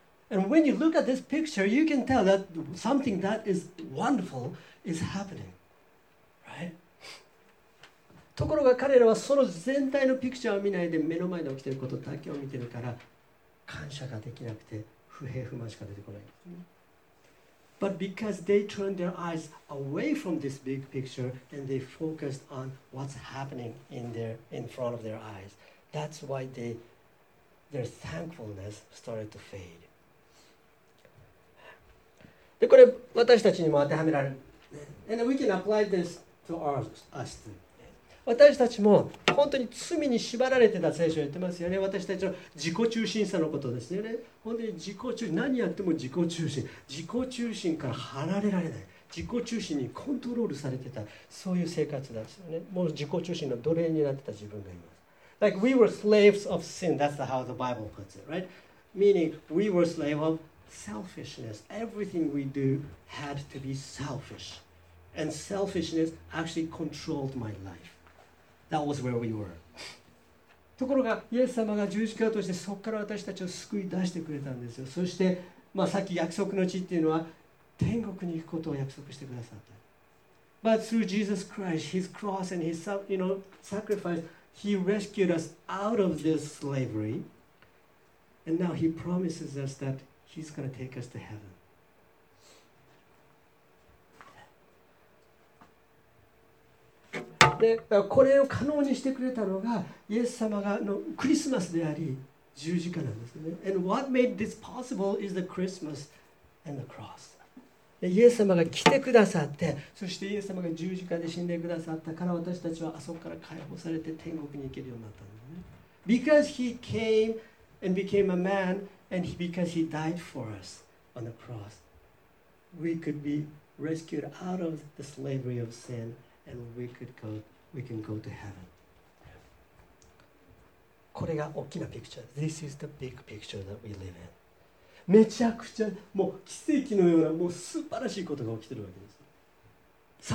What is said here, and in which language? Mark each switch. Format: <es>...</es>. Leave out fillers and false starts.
<en>And when you look at this picture, you can tell that something that is wonderful is happening. Right?</en> <ja>ところが彼らはその全体のピクチャーを見ないで、目の前で起きてることだけを見てるから、感謝ができなくて、不平不満しか出てこないんですね。</ja> <en>But because they turned their eyes away from this big picture and they focused on what's happening in front of their eyes. That's why their thankfulness started to fade.</en> <ja>で、これ私たちにも当てはめられる。</ja> <en>And we can apply this to us too.</en> <ja>私たちも本当に罪に縛られてた聖書を言ってますよね。私たちの自己中心さのことですよね。本当に自己中心、何やっても自己中心、自己中心から離れられない、自己中心にコントロールされてた、そういう生活だったよね。もう自己中心の奴隷になってた自分がいます。</ja> <en>Like we were slaves of sin, that's how the Bible puts it, right? Meaning we were slaves of selfishness. Everything we do had to be selfish. And selfishness actually controlled my life. That was where we were.</en> <ja>ところがイエス様が十字架を通してそこから私たちを救い出してくれたんですよ。そして、まあ、さっき約束の地っていうのは天国に行くことを約束してくださった。</ja> <en>But through Jesus Christ, His cross and His sacrifice, He rescued us out of this slavery. And now He promises us that He's going to take us to heaven.</en> <ja>でこれを可能にしてくれたのがイエス様がのクリスマスであり十字架なんですね。</ja> <en>And what made this possible is the Christmas and the cross.</en> <ja>でイエス様が来てくださって、そしてイエス様が十字架で死んでくださったから、私たちはあそこから解放されて天国に行けるようになったんですね。</ja> <en>Because he came and became a man, and because he died for us on the cross, we could be rescued out of the slavery of sin. And we can go to heaven.</en> <ja>これが大きなピクチャー。</ja> <en>This is the big picture that we live in.</en> <ja>めちゃくちゃもう奇跡のようなもう素晴らしいことが起きてるわけです。</ja>